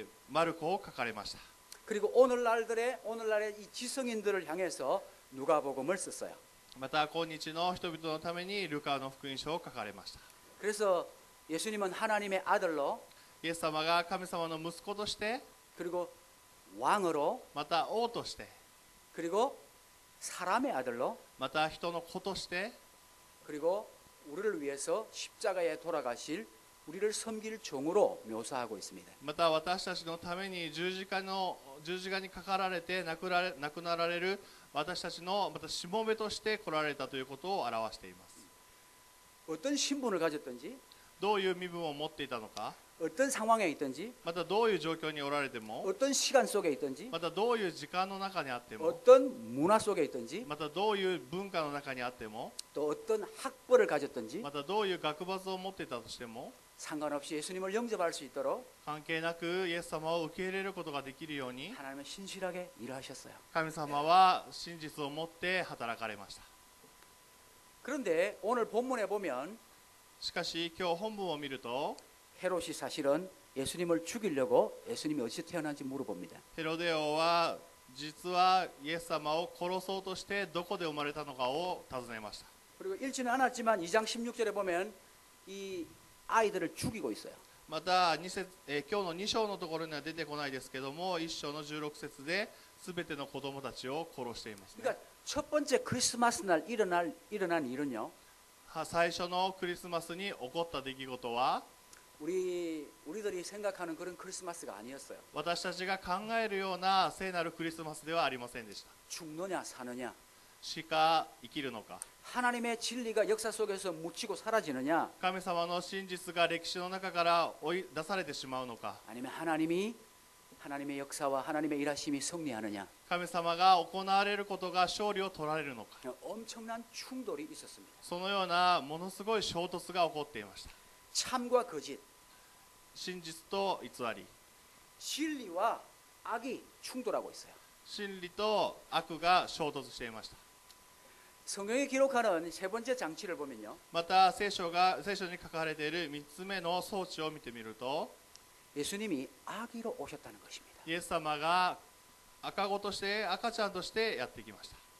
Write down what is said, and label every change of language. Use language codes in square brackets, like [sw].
[ja] マルコを書かれました [ko] 그리고오늘날들의오늘날의이지성인들을향해서누가복음을썼어요 [ja] また今日の人々のためにルカの福音書を書かれました [ko] 그래서예수님은하나님의아들로 [ja] イエス様が神様の息子として [ko] 그리고왕으로 [ja] また王として [ko] 그리고사람의아들로 [ja] また人の子として [ko] 그리고우리를위해서십자가에돌아가실우리를섬길종으로묘사하고있습니다 [ja] また私たちのために十字架にかかられて亡くなられる私たちのまたしもべとして来られたということを表しています [ko] 어떤신분을가졌던지 [ja] どういう身分を持っていたのか [ko] 어떤상황에있던지 [ja] またどういう状況におられても [ko] 어떤시간속에있던지 [ja] またどういう時間の中にあっても [ko] 어떤문화속에있던지 [ja] またどういう文化の中にあっても [ko] 또어떤학벌을가졌던지 [ja] またどういう学閥を持っていたとしても [ko] 상관없이예수님을영접할수있도록 [ja] 関係なくイエス様を受け入れることができるように [ko] 하나님은신실하게일하셨어요 [ja] 神様は真実を持って働かれました [ko] 그런데오늘본문에보면 [ja] しかし今日本文を見ると [ko] ヘロシ사실은예수님을죽이려고예수님이어디서태어난지물어봅니다 [ja] ヘロデ王は実はイエス様を殺そうとしてどこで生まれたのかを尋ねました [ko] 그리고읽지는않았지만2장16절에보면이아이들을죽이고있어요 [ja] また今日の2章のところには出てこないですけども1章の16節で全ての子供たちを殺しています、 [ko] ね、그러니까첫번째크리스마스날일어난일은요 [ja] 最初のクリスマスに起こった出来事は [ko] 우리들이생각하는그런크리스마스가아니었어요 [ja] 私たちが考えるような聖なるクリスマスではありませんでした [ko] 죽느냐사느냐 [ja] 死か生きるのか [ko] 하나님의진리가역사속에서묻히고사라지느냐 [ja] 神様の真実が歴史の中から追い出されてしまうのか [ko] 아니면하나님의역사와하나님의일하심이승리하느냐 [ja] 神様が行われることが勝利を取られるのか [ko] 엄청난충돌이있었습니다 [ja] そのようなものすごい衝突が起こっていました [ko] 참과거짓 [ja] 真実と偽り [ko] 진리와악이충돌하고있어요 [ja] 真理と悪が衝突していました [ko] 성경에기록하는세번째장치를보면요 [ja] また聖書に書かれている3つ目の装置を見てみると [ko] 예수님이아기로오셨다는것입니다 [ja] イエス様が赤子として赤ちゃんとしてやってきました